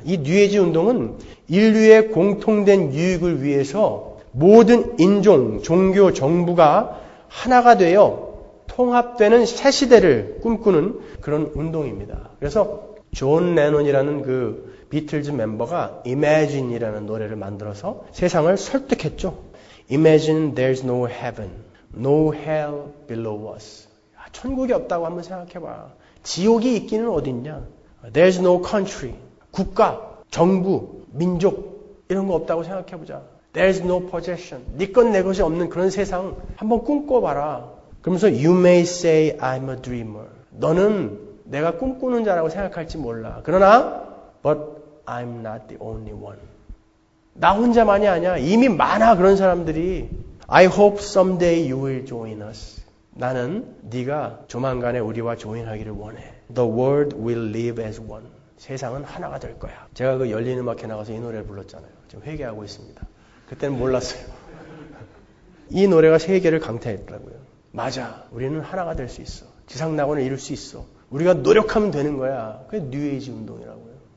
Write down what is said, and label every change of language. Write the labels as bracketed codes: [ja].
[ko] 이 뉴에이지 운동은 인류의 공통된 유익을 위해서 모든 인종, 종교, 정부가 하나가 되어 통합되는 새 시대를 꿈꾸는 그런 운동입니다. 그래서 존 레논이라는 그 비틀즈 멤버가 Imagine이라는 노래를 만들어서 세상을 설득했죠. [en] Imagine there's no heaven, no hell below us. [ko] 야, 천국이 없다고 한번 생각해봐. 지옥이 있기는 어딨냐. There's no country, 국가, 정부, 민족 이런 거 없다고 생각해보자. There's no possession, 네 건 내 것이 없는 그런 세상 한번 꿈꿔봐라. [en] 그러면서 You may say I'm a dreamer. [ko] 너는 내가 꿈꾸는 자라고 생각할지 몰라. [en] 그러나 But I'm not the only one. [ko] 나 혼자만이 아니야. 이미 많아 그런 사람들이. [en] I hope someday you will join us. [ko] 나는 네가 조만간에 우리와 조인하기를 원해. [en] The world will live as one. [ko] 세상은 하나가 될 거야. 제가 그 열린 음악회 나가서 이 노래를 불렀잖아요. 지금 회개하고 있습니다. 그때는 몰랐어요. 이 노래가 세계를 강타했더라고요. 맞아. 우리는 하나가 될 수 있어. 지상 낙원을 이룰 수 있어. 우리가 노력하면 되는 거야. 그게 뉴에이지 운동이라고요.